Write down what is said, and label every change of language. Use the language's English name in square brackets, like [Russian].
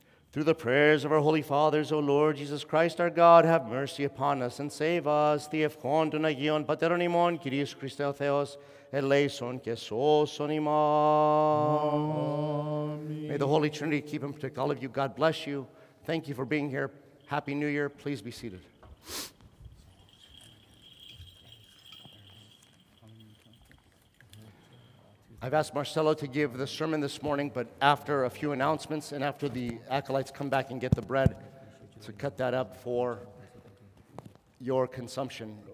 [English] Through the prayers of our holy fathers, O Lord Jesus Christ, our God, have mercy upon us and save us. [Greek] Thee ευχόντων Αγίων Πατέρων Κυρίου Χριστέ Θεός, ελέησον και σώσον ημάς. [English] May the Holy Trinity keep and protect all of you. God bless you. Thank you for being here. Happy New Year. Please be seated. I've asked Marcelo to give the sermon this morning, but after a few announcements and after the acolytes come back and get the bread, to cut that up for your consumption.